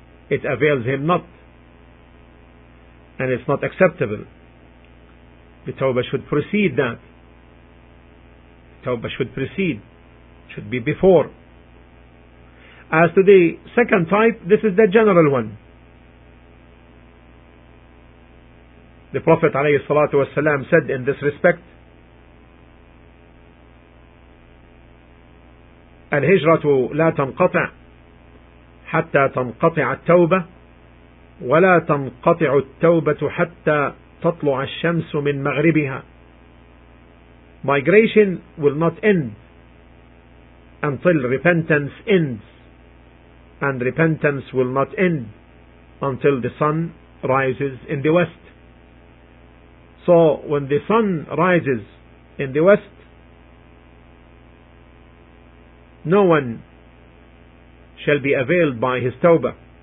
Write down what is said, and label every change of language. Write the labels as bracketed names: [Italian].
[English] It avails him not, and it's not acceptable. The tawbah should precede that. The tawbah should precede, should be before. As to the second type, this is the general one. The Prophet [Arabic] عليه الصلاة والسلام [English] said in this respect, [Arabic] الهجرة لا تنقطع حتى تنقطع التوبة ولا تنقطع التوبة حتى تطلع الشمس من مغربها. [English] Migration will not end until repentance ends, and repentance will not end until the sun rises in the west. So when the sun rises in the west, no one shall be availed by his tawbah.